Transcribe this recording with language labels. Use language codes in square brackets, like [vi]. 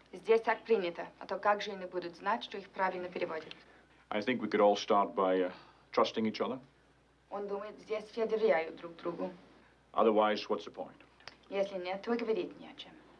[ru] Здесь так принято, а то как же они будут знать, что их правильно переводят? [en] I think we could all start by trusting each other. [ru] Он думает, здесь все доверяют друг другу. [en] Otherwise, what's the point? [ru] Если нет, то говорить не о чем.